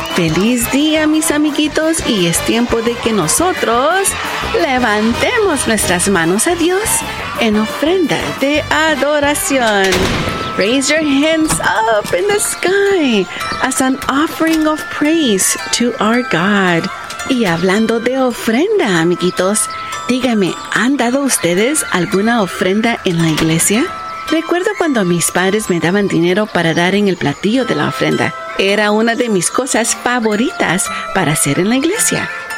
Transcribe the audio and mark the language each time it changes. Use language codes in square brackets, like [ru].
[es] Feliz día, mis amiguitos, y es tiempo de que nosotros levantemos nuestras manos a Dios en ofrenda de adoración. [en] Raise your hands up in the sky as an offering of praise to our God. [es] Y hablando de ofrenda, amiguitos, díganme, ¿han dado ustedes alguna ofrenda en la iglesia? Recuerdo cuando mis padres me daban dinero para dar en el platillo de la ofrenda. Era una de mis cosas favoritas para hacer en la iglesia.